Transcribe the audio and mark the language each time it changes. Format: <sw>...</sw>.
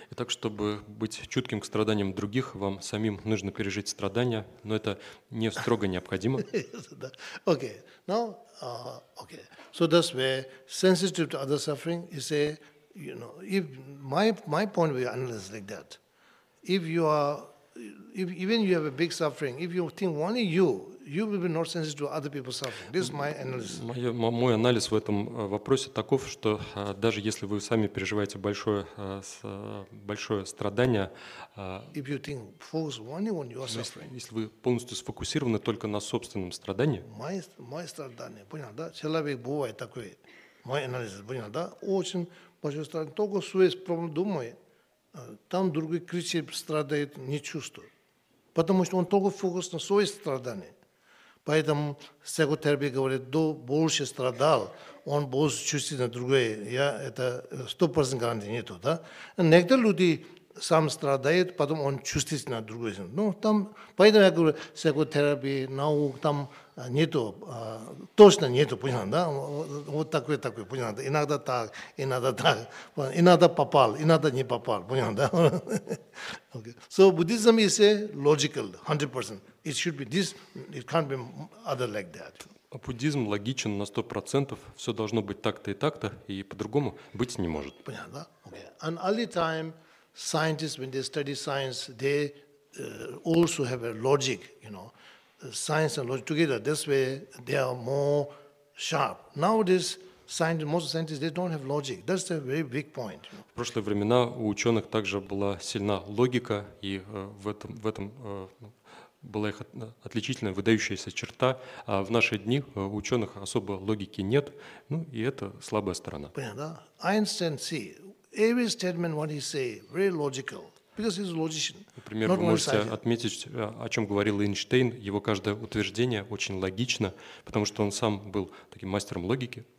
<ru>Итак, чтобы быть чутким к страданиям других, вам самим нужно пережить страдания, но это не строго необходимо.</ru> <en>Okay. Okay. So that's where sensitive to other suffering is a, you know, if my point of view analysis like that. Even you have a big suffering, if you think only you will be not sensitive to other people's suffering. This is my analysis.</en> <ru>Мой анализ в этом вопросе таков, что даже если вы сами переживаете большое страдание,</ru> <en>if you think focus only on your suffering,</en> <ru>если вы полностью сфокусированы только на собственном страдании, мое страдание, понял, да? Человек бывает такой. Мой анализ, понял, да? Очень большое страдание. Только свои проблемы думает, там другой кричит, страдает, не чувствует. Потому что он только фокус на свои страдания. Поэтому психотерапевт говорит, кто больше страдал, он больше чувствует на другое. Я это 100% гарантии нету, да? Некоторые люди сам страдают, потом он чувствует на другое. Ну, там, поэтому я говорю, психотерапия, наука, там нету, точно нету, понятно, да? Вот такое, понятно, иногда так, иногда так, иногда попал, иногда не попал, понятно, да?</ru> <en>Okay. So Buddhism is a logical, 100%. It should be this, it can't be other like that.</en> <ru>Буддизм логичен на 100%, все должно быть так-то и так-то, и по-другому быть не может. Понятно, да? Okay.</ru> <en>And all the time, scientists, when they study science, they also have a logic, you know. Science and logic together, this way they are more sharp. Nowadays, most scientists, they don't have logic. That's a very big point.</en> <ru>В прошлые времена у ученых также была сильна логика, и в этом была их отличительная, выдающаяся черта. А в наши дни у ученых особо логики нет, ну и это слабая сторона. Понятно, да?</ru> <en>Einstein, see, every statement what he say, very logical. Because he's a logician.</en> <ru>Например, вы можете отметить, о чем говорил Эйнштейн. Его каждое утверждение очень логично, потому что он сам был таким мастером логики.</ru>